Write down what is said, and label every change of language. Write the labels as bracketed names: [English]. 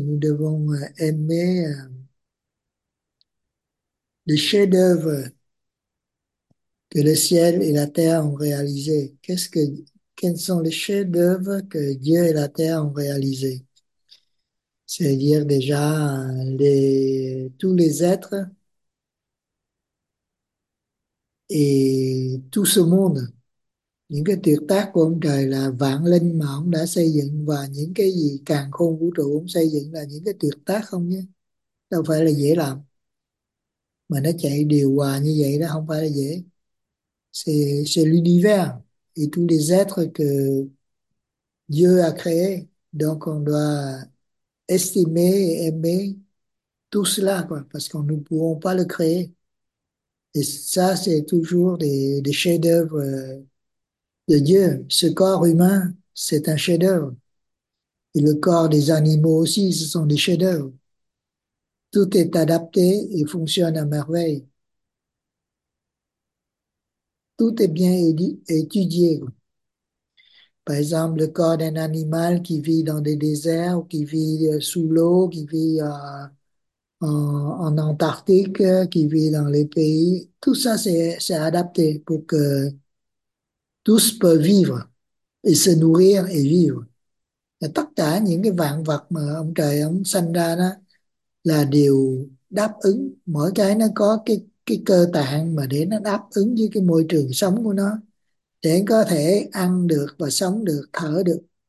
[French] Nous devons aimer les chefs-d'œuvre que le ciel et la terre ont réalisé. Quels sont les chefs-d'œuvre que Dieu et la terre ont réalisés? C'est-à-dire déjà tous les êtres et tout ce monde. [Vietnamese] Những cái tuyệt tác của ông trời là vạn linh mà ông đã xây dựng, và những cái gì càn khôn vũ trụ ông xây dựng là những cái tuyệt tác không nhé. Đâu phải là dễ làm. Mà nó chạy điều hòa như vậy đó không phải là dễ. [French] C'est l'univers et tous les êtres que Dieu a créés. Donc, on doit estimer et aimer tout cela, quoi, parce qu'on ne pourra pas le créer. Et ça, c'est toujours des chefs-d'œuvre de Dieu. Ce corps humain, c'est un chef-d'œuvre. Et le corps des animaux aussi, ce sont des chefs-d'œuvre. Tout est adapté et fonctionne à merveille. Tout est bien étudié. Par exemple, le corps d'un animal qui vit dans des déserts, qui vit sous l'eau, qui vit en Antarctique, qui vit dans les pays. Tout ça, c'est adapté pour que tous peuvent vivre et se nourrir et vivre. [Vietnamese] Et tất cả những cái vạn vật mà ông trời ông sanh ra đó là đều đáp ứng. Mỗi cái nó có cái cơ tạng mà để nó đáp ứng với cái môi trường sống của nó, để có thể ăn được và sống được, thở được.